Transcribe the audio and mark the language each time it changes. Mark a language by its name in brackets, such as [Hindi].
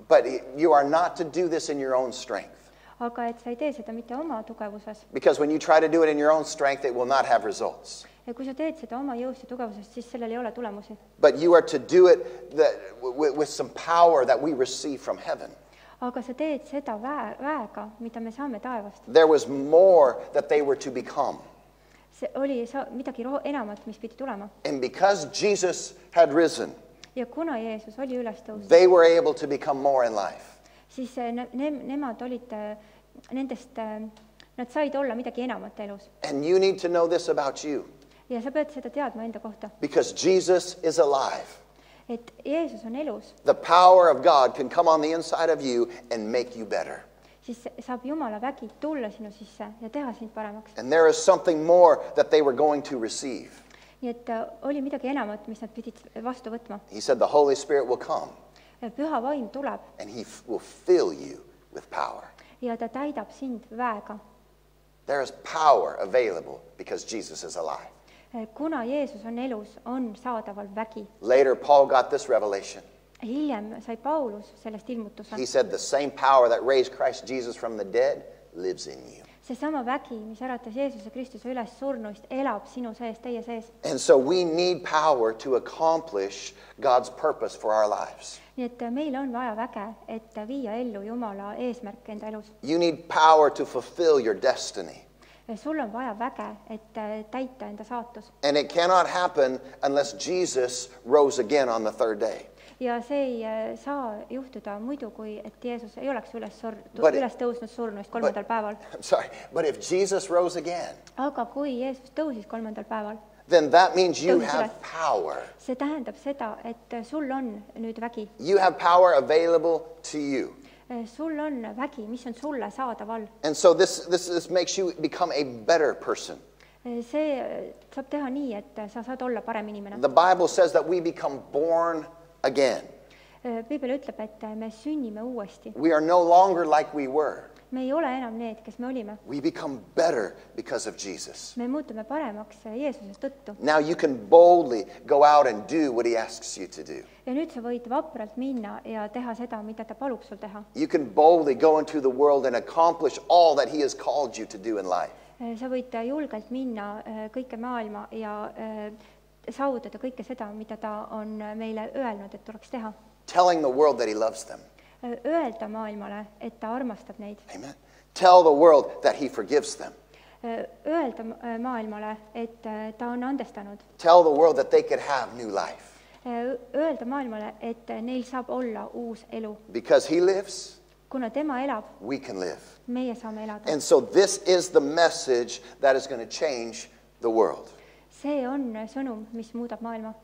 [English] But you are not to do this in your own strength. [Estonian] Aga et sa ei tee seda mitte oma tugevuses. [English] Because when you try to do it in your own strength, it will not have results. [Estonian] Ja kui sa teed seda oma jõust ja tugevusest, siis sellel ei ole tulemusi. [English] But you are to do it with some power that we receive from heaven. [Estonian] Aga sa teed seda väega, mida me saame taevast. [English] There was more that they were to become. [Estonian] See oli midagi enamat, mis pidi tulema. [English] And because Jesus had risen, [Estonian] ja kuna Jeesus oli üles tõusnud, [English] they were able to become more in life. [Estonian] Siis nemad olid nendest, nad said olla midagi enamat elus. [English] And you need to know this about you. [Estonian] Ja sa pead seda teadma enda kohta. [English] Because Jesus is alive. [Estonian] Et Jeesus on elus. [English] The power of God can come on the inside of you and make you better. [Estonian] Siis saab Jumala vägi tulla sinu sisse ja teha sind paremaks. [English] And there is something more that they were going to receive. [Estonian] Et oli midagi enamat, mis nad pidid vastu võtma. [English] He said the Holy Spirit will come. [Estonian] Püha vaim tuleb. [English] And he will fill you with power. [Estonian] Ja ta täidab sind väega. [English] There is power available because Jesus is alive. [Estonian] Kuna Jeesus on elus, on saadaval vägi. [English] Later Paul got this revelation. [Estonian] Hiljem sai Paulus sellest ilmutuse. [English] He said the same power that raised Christ Jesus from the dead lives in you. [Estonian] See sama vägi, mis äratas Jeesuse Kristuse üles surnuist, elab sinu sees, teie sees. [English] And so we need power to accomplish God's purpose for our lives. [Estonian] Nii et meil on vaja väge, et viia ellu Jumala eesmärk enda elus. [English] You need power to fulfill your destiny. [Estonian] Sul on vaja väge, et täita enda saatus. [English] And it cannot happen unless Jesus rose again on the third day. [Estonian] Ja see ei saa juhtuda muidu, kui et Jeesus ei oleks üles tõusnud surnuist kolmandal päeval. [English] But if Jesus rose again, [Estonian] aga kui Jeesus tõusis kolmandal päeval, [English] then that means you have power. [Estonian] See tähendab seda, et sul on nüüd vägi. [English] You have power available to you. [Estonian] Sul on vägi, mis on sulle saadaval. [English] And so this makes you become a better person. [Estonian] See saab teha nii, et sa saad olla parem inimene. [English] The Bible says that we become born again. [Estonian] Piibel ütleb, et me sünnime uuesti. [English] We are no longer like we were. [Estonian] Me ei ole enam need, kes me olime. [English] We become better because of Jesus. [Estonian] Me muutume paremaks Jeesuse tõttu. [English] Now you can boldly go out and do what he asks you to do. [Estonian] Ja nüüd sa võid vapralt minna ja teha seda, mida ta palub sul teha. [English] You can boldly go into the world and accomplish all that he has called you to do in life. [Estonian] Sa võid julgelt minna kõike maailma ja saavutada kõike seda, mida ta on meile öelnud, et tuleks teha. [English] Telling the world that he loves them. [Estonian] Öelda maailmale, et ta armastab neid. [English] Amen. Tell the world that he forgives them. [Estonian] Öelda maailmale, et ta on andestanud. [English] Tell the world that they could have new life. [Estonian] Öelda maailmale, et neil saab olla uus elu. [English] Because he lives, [Estonian] kuna tema elab, [English] we can live. [Estonian] Meie saame elada. [English] And so this is the message that is going to change the world. [Estonian] See on sõnum, mis muudab maailma.